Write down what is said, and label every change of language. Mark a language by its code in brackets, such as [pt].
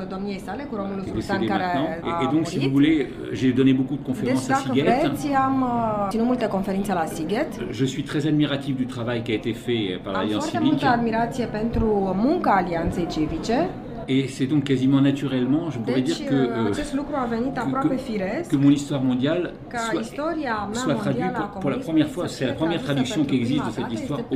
[fr] Et donc, si vous voulez, j'ai donné beaucoup de conférences à Siget. Je suis très admiratif du travail qui a été fait par l'Alliance civique. [ro] Am foarte multă admirație pentru munca Alianței Civice. [fr] Et c'est donc quasiment naturellement, je pourrais [ro] deci, [fr] dire que, [ro] acest lucru a venit aproape firesc, [fr] que mon histoire mondiale soit traduite pour la première fois. C'est la première traduction qui existe de cette histoire au